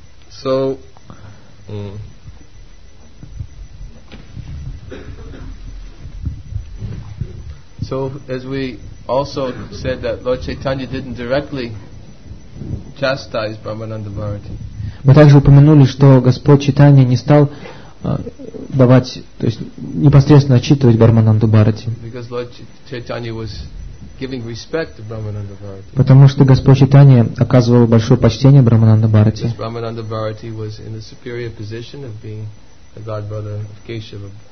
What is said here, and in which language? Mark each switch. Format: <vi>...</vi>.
<en>So, so as we also said that Lord Chaitanya didn't directly chastise Brahmananda Bharati.</en> <ru>Мы также упомянули, что Господь Чайтанья не стал давать, то есть непосредственно отчитывать Брахмананду Бхарати.</ru> <en>Because Lord Chaitanya was giving respect to Brahmananda Bharati.</en> <ru>Потому что Господь Чайтанья оказывал большое почтение Брахмананду Бхарати.</ru> <en>Because Brahmananda Bharati was in the superior position of being a godbrother of Keshava.</en>